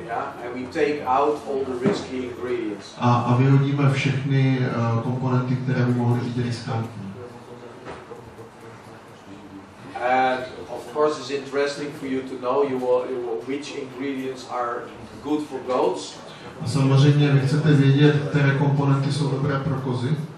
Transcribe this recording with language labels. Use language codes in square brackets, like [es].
[en] Yeah, and we take out all the risky ingredients. [cs] A vyhodíme všechny komponenty, které by mohly být riskantní. [en] And of course, it's interesting for you to know which ingredients are good for goats. [cs] A samozřejmě, vy chcete vědět, které komponenty jsou dobré pro kozy?